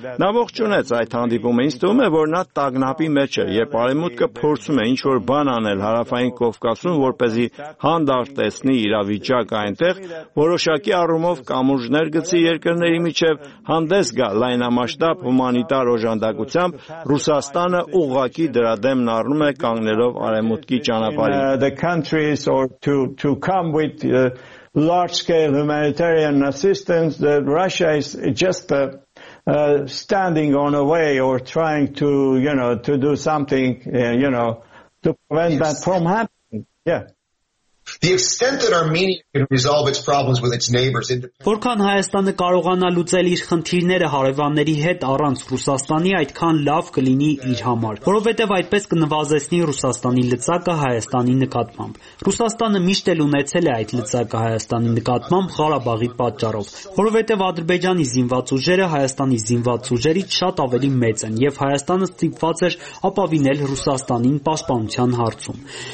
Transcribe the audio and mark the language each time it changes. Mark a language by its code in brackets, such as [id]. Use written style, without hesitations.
[hy] Նա ողջ ունեց այդ հանդիպումը, ինձ թվում է, որ նա տագնապի մեջ է եւ արևմուտքը փորձում է ինչ-որ բան անել հարավային Կովկասում, որպեսզի հանդարտ տեսնի իրավիճակը այնտեղ, որոշակի առումով կամուրջներ գցի երկրների միջև, հանդես գա լայնամասշտաբ հումանիտար օժանդակությամբ, Ռուսաստանը ուղղակի դրա դեմ նառնում է կանգնելով արևմուտքի ճանապարհին։ [en] Large-scale humanitarian assistance that Russia is just standing on a way or trying to, you know, to do something, you know, to prevent that from happening. Yeah. The extent that Armenia can resolve its problems with its neighbors independently. [hy] Որքան Հայաստանը կարողանա լուծել իր խնդիրները հարևանների հետ առանց Ռուսաստանի, այդքան լավ կլինի իր համար, որովհետև այդպես կնվազեցնի Ռուսաստանի լծակը Հայաստանի նկատմամբ։ Ռուսաստանը միշտ էլ ունեցել է այդ լծակը Հայաստանի նկատմամբ Ղարաբաղի պատճառով, որովհետև Ադրբեջանի զինված ուժերը Հայաստանի զինված ուժերից շատ ավելի մեծ են եւ Հայաստանը ստիպված էր ապավինել Ռուսաստանին պաշտպանության հարցում։